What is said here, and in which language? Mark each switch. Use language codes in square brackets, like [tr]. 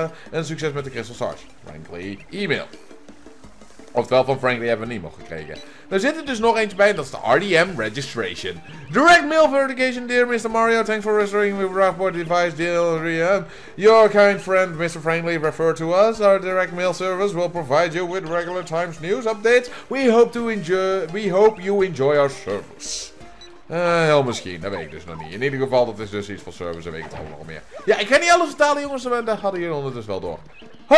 [nl] En succes met de Crystal Stars. Frankly, e-mail. Oftewel, van Frankly hebben we een e-mail gekregen. Er zit er dus nog eentje bij en dat is de RDM Registration. [en] Direct mail verification, dear Mr. Mario. Thanks for registering with Rockport Device, dear RDM. Your kind friend, Mr. Frankly, refer to us. Our direct mail service will provide you with regular times news updates. We hope you enjoy our service. [nl] Heel misschien, dat weet ik dus nog niet. In ieder geval, dat is dus iets van service, dat weet ik allemaal meer. Ja, ik kan niet alles vertalen, jongens, maar dat hadden jullie ondertussen dus wel door.